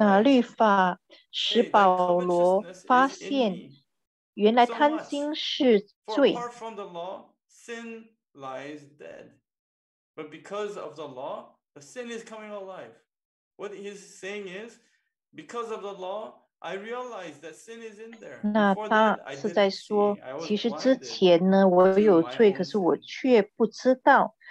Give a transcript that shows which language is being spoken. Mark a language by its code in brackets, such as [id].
[zh] 那律法使保罗发现原来贪心是罪。 [en] For apart from the law, sin lies dead. But because of the law, the sin is coming alive. What he's saying is, because of the law,I realized that sin is in there. [zh] 那他是在说，其实之前呢，我有罪，可是我却不知道。